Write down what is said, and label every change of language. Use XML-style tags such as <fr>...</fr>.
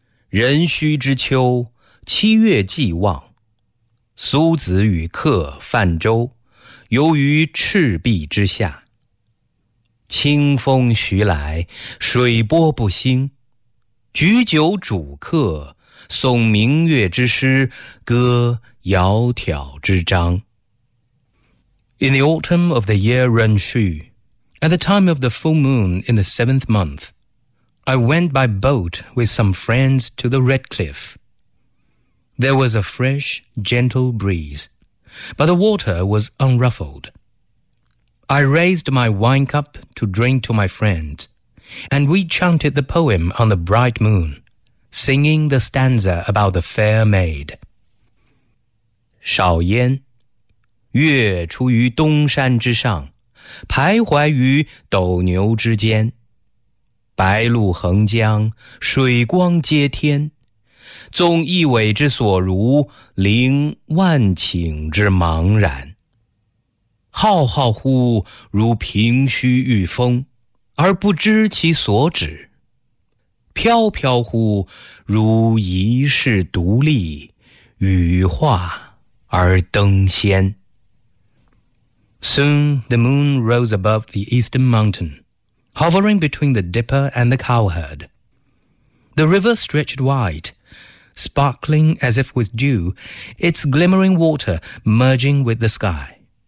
<zh>壬戌之秋，七月既望，苏子与客泛舟，游于赤壁之下。清风徐来，水波不兴，举酒煮客，诵明月之诗，歌窈窕之章。</zh> <en>In the autumn of the year Renshu, at the time of the full moon in the seventh month, I went by boat with some friends to the Red Cliff. There was a fresh, gentle breeze, but the water was unruffled. I raised my wine cup to drink to my friends, and we chanted the poem on the bright moon, singing the stanza about the fair maid.</en> <zh>少烟，月出于东山之上，徘徊于斗牛之间。白露横江，水光接天，纵一苇之所如，凌万顷之茫然。浩浩乎如凭虚御风，而不知其所止；飘飘乎如遗世独立，羽化而登仙。</zh> <en>Soon the moon rose above the eastern mountain, hovering between the dipper and the cowherd. The river stretched wide, sparkling as if with dew, its glimmering water merging with the sky.</en>